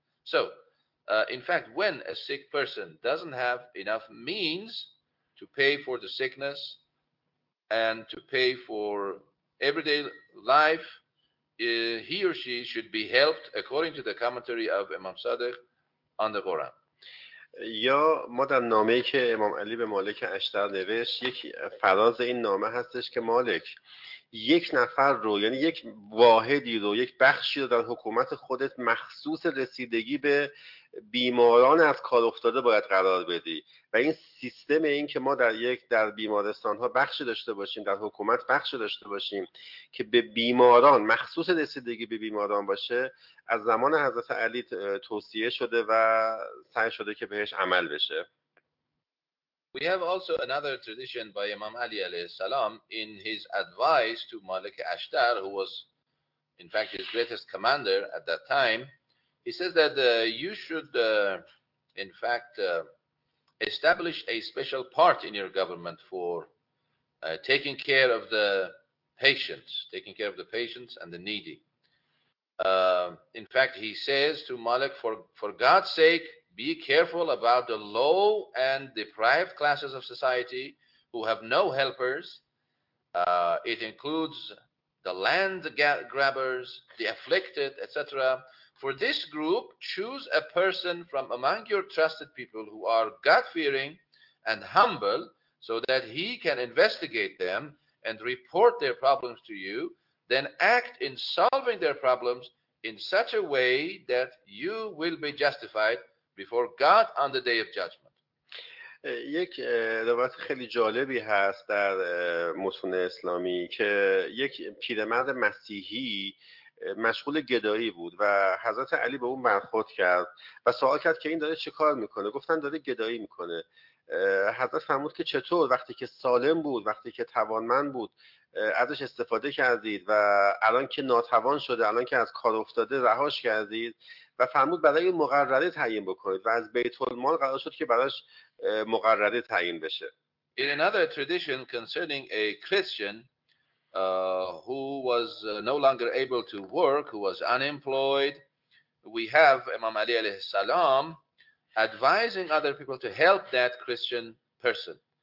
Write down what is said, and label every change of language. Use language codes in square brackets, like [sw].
[en] So, in fact, when a sick person doesn't have enough means to pay for the sickness and to pay for everyday life, he or she should be helped according to the commentary of Imam Sadiq on the Quran. [fa] یا ما در نامه‌ای که امام علی به مالک اشتر نوشت، یک فراز این نامه هستش که مالک، یک نفر رو، یعنی یک واحدی رو، یک بخشی رو در حکومت خودت مخصوص رسیدگی به بیماران از کار افتاده باید قرار بدی. و این سیستم، این که ما در بیمارستان ها بخشی داشته باشیم، در حکومت بخشی داشته باشیم که به بیماران مخصوص رسیدگی به بیماران باشه، از زمان حضرت علی توصیه شده و سعی شده که بهش عمل بشه. [en] We have also another tradition by Imam Ali alayhi salam in his advice to Malik Ashtar, who was in fact his greatest commander at that time. He says that you should in fact, establish a special part in your government for taking care of the patients, taking care of the patients and the needy. In fact, he says to Malik, for God's sake, be careful about the low and deprived classes of society who have no helpers. It includes the land grabbers, the afflicted, etc. For this group, choose a person from among your trusted people who are God-fearing and humble so that he can investigate them and report their problems to you, then act in solving their problems in such a way that you will be justified before God on the day of judgment. [fa] یک روایت خیلی جالبی هست در متون اسلامی که یک پیرمرد مسیحی مشغول گدایی بود و حضرت علی به اون برخورد کرد و سوال کرد که این داره چه کار میکنه. گفتن داره گدایی میکنه. حضرت فرمود که چطور وقتی که سالم بود، وقتی که توانمند بود ازش استفاده کردید و الان که ناتوان شده، الان که از کار افتاده رهاش کردید و فرمود برای مقرره تعیین بکنید و از بیت المال قرار شد که براش مقرره تعیین بشه. [en] In another tradition concerning a Christian who was no longer able to work, who was unemployed, we have Imam Ali alayhi salam advising other people to help that Christian person.